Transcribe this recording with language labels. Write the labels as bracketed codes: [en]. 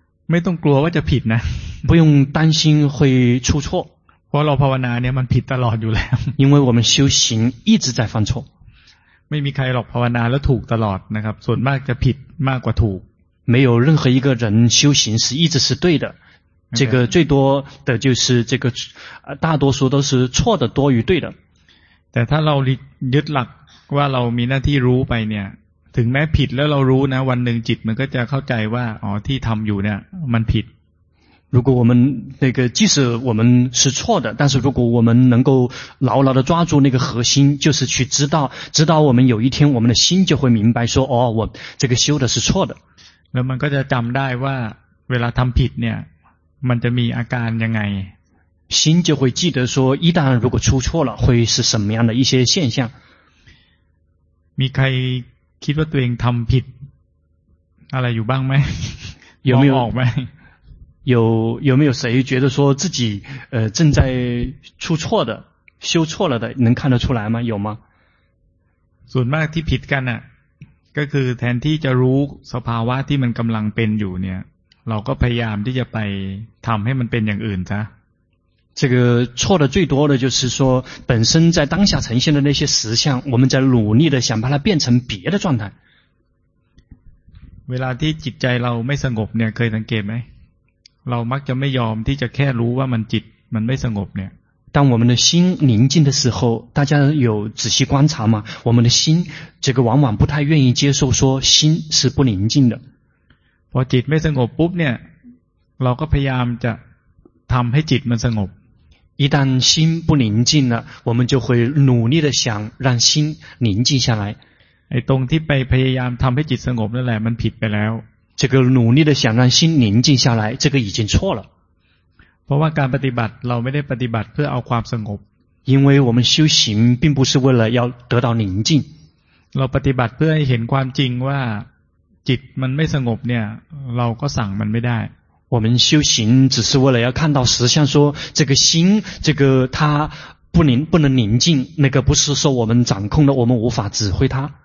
[th] ไม่ต้องกลัวว่าจะผิดนะ [zh] 不用担心会出错 [th] เพราะเราภาวนาเนี่ยมันผิดตลอดอยู่แล้ว [zh] 因为我们修行一直在犯错 [th] ไม่มีใครหรอกภาวนาแล้วถูกตลอดนะครับส่วนมากจะผิดมากกว่าถูก [zh] 没有任何一个人修行是一直是对的这个最多的就是这个大多数都是错的多于对的 [th] แต่ถ้าเรายึดหลักว่าเรามีหน้าที่รู้ไปเนี่ยถึงแม้ผิดแล้วเรารู้นะวันหนึ่งจิตมันก็จะเข้าใจว่าอ๋อที่ทำอยู่เนี่ยมันผิด [zh] 如果我们那个即使我们是错的但是如果我们能够牢牢地抓住那个核心就是去知道知道我们有一天我们的心就会明白说哦我这个修的是错的那么大家讲到 [th] ว่าเวลาทำผิดเนี่ยมันจะมีอาการยังไง [zh] 心就会记得说一旦如果出错了会是什么样的一些现象 [th] มีใครคิดว่าตัวเองทำผิดอะไรอยู่บ้างไหม [zh] 有没有 [th] ออกไหม [zh] 有没有谁觉得说自己正在出错的修错了的能看得出来吗有吗 [th] ส่วนมากที่ผิดกันน่ะก็คือแทนที่จะรู้สภาวะที่มันกำลังเป็นอยู่เนี่ยเราก็พยายามที่จะไปทำให้มันเป็นอย่างอื่นซะ [zh] 这个错的最多的就是说本身在当下呈现的那些实相我们在努力的想把它变成别的状态 [th] เวลาที่จิตใจเราไม่สงบเนี่ยเคยสังเกตไหมเรามักจะไม่ยอมที่จะแค่รู้ว่ามันจิตมันไม่สงบเนี่ย [zh] 当我们的心宁静的时候大家有仔细观察吗我们的心这个往往不太愿意接受说心是不宁静的 [th] พอจิตไม่สงบปุ๊บเนี่ยเราก็พยายามจะทำให้จิตมันสงบ [zh] 一旦心不宁静了我们就会努力的想让心宁静下来 [th] ไอ้ตรงที่ไปพยายามทำให้จิตสงบนั่นแหละมันผิดไปแล้ว [zh] 这个努力的想让心宁静下来这个已经错了 [th] เพราะว่าการปฏิบัติเราไม่ได้ปฏิบัติเพื่อเอาความสงบ [zh] 因为我们修行并不是为了要得到宁静 [th] เราปฏิบัติเพื่อให้เห็นความจริงว่าจิตมันไม่สงบเนี่ยเราก็สั่งมันไม่ได้ [zh] 我们修行只是为了要看到实相说这个心这个它不能宁静那个不是说我们掌控的我们无法指挥它